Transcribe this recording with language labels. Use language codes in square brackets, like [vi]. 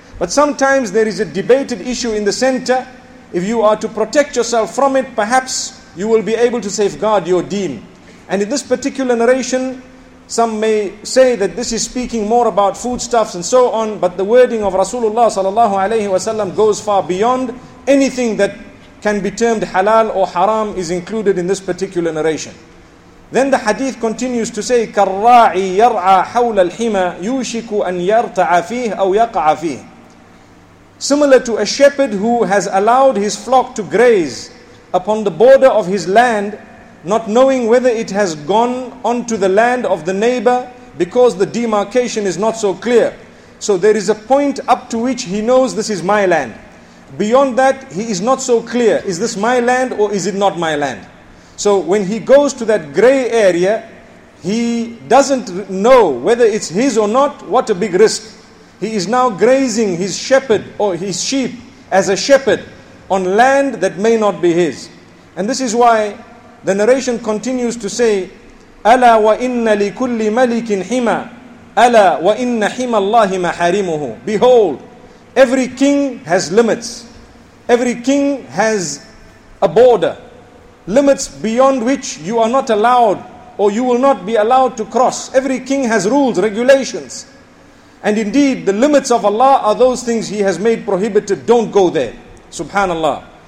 [en] But sometimes there is a debated issue in the center. If you are to protect yourself from it, perhaps you will be able to safeguard your deen. And in this particular narration, some may say that this is speaking more about foodstuffs and so on, but the wording of Rasulullah sallallahu alayhi wasallam goes far beyond anything that can be termed halal or haram is included in this particular narration. Then the hadith continues to say, [ar] كَالرَّاعِي يَرْعَى حَوْلَ الْحِمَى يُوشِكُ أَنْ يَرْتَعَ فِيهِ أَوْ يَقَعَ فِيهِ. [en] Similar to a shepherd who has allowed his flock to graze upon the border of his land, not knowing whether it has gone onto the land of the neighbor because the demarcation is not so clear. So there is a point up to which he knows this is my land. Beyond that, he is not so clear. Is this my land or is it not my land? So when he goes to that gray area, he doesn't know whether it's his or not. What a big risk. He is now grazing his shepherd or his sheep as a shepherd on land that may not be his. And this is why the narration continues to say, [ar] أَلَا وَإِنَّ لِكُلِّ مَلِكٍ حِمَى أَلَا وَإِنَّ حِمَى اللَّهِ مَحَارِمُهُ. [en] Behold, every king has limits. Every king has a border. Limits beyond which you are not allowed or you will not be allowed to cross. Every king has rules, regulations. And indeed, the limits of Allah are those things He has made prohibited. Don't go there. Subhanallah.